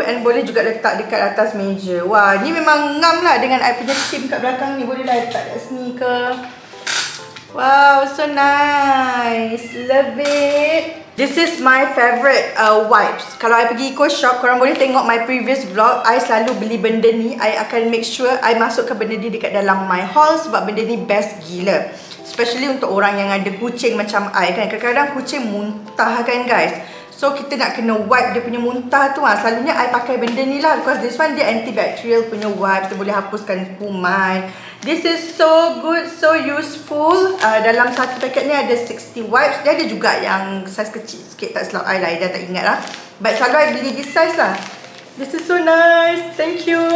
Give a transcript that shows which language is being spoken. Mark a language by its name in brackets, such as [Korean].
[Malay] And boleh juga letak dekat atas meja. Wah, ni memang ngam lah dengan I punya theme kat belakang ni. Boleh lah letak kat sini ke. [English] Wow, so nice. Love it. This is my favourite wipes. [Malay] Kalau I pergi Eco Shop, korang boleh tengok [English] my previous vlog. [Malay] I selalu beli benda ni. I akan [English] make sure [Malay] I masukkan benda ni dekat dalam my haul. Sebab benda ni best gila. Especially untuk orang yang ada kucing macam I kan. Kadang-kadang kucing muntah kan, guys. So kita nak kena wipe dia punya muntah tu lah. Selalunya I pakai benda ni lah. [English] Because this one [Malay] dia [English] antibacterial [Malay] punya [English] wipes. [Malay] Dia boleh hapuskan kuman. [English] This is so good, so useful. [Malay] Dalam satu paket ni ada 60 wipes. Dia ada juga yang saiz kecil sikit. Tak silap I lah, I dah tak ingat lah. But selalu I beli [English] this size [Malay] lah. [English] This is so nice, thank you.